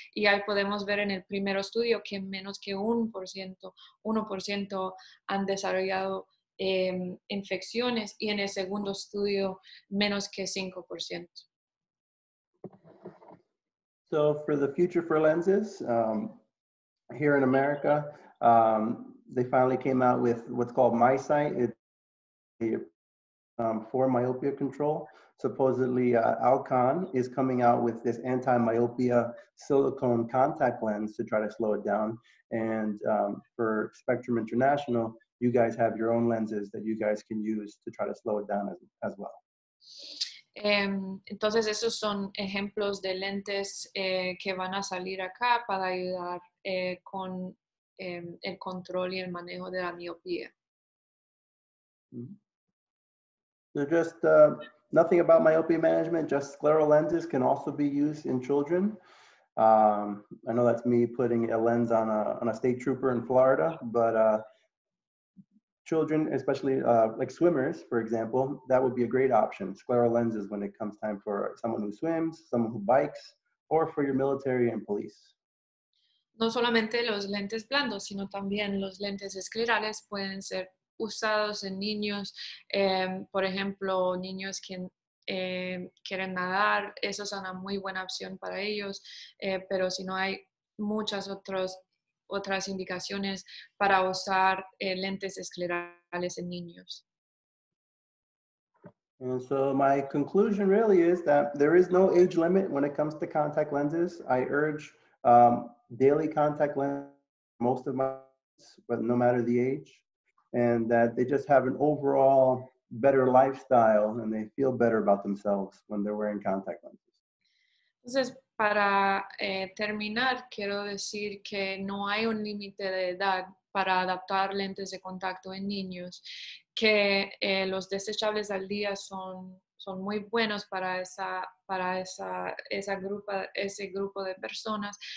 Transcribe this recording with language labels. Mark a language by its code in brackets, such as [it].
[es] Y ahí podemos ver en el primer estudio que menos que 1% han desarrollado infecciones, y en el segundo estudio menos que 5%. [en] So for the future for lenses, here in America, they finally came out with what's called MySight. It's for myopia control. Supposedly Alcon is coming out with this anti-myopia silicone contact lens to try to slow it down. And for Spectrum International, you guys have your own lenses that you guys can use to try to slow it down as well. [es] Entonces, esos son ejemplos de lentes que van a salir acá para ayudar con el control y el manejo de la miopía. [en] So just nothing about myopia management, just scleral lenses can also be used in children. I know that's me putting a lens on a state trooper in Florida, but children, especially like swimmers, for example, that would be a great option, scleral lenses, when it comes time for someone who swims, someone who bikes, or for your military and police. [es] No solamente los lentes blandos, sino también los lentes esclerales pueden ser usados en niños, por ejemplo, niños que quieren nadar. Eso es una muy buena opción para ellos, pero si no hay muchas otras indicaciones para usar lentes esclerales en niños. [en] And so my conclusion really is that there is no age limit when it comes to contact lenses. I urge daily contact lenses, most of my lenses, but no matter the age, and that they just have an overall better lifestyle and they feel better about themselves when they're wearing contact lenses. [es] Entonces, para terminar, quiero decir que no hay un límite de edad para adaptar lentes de contacto en niños, que los desechables al día son muy buenos para ese grupo de personas,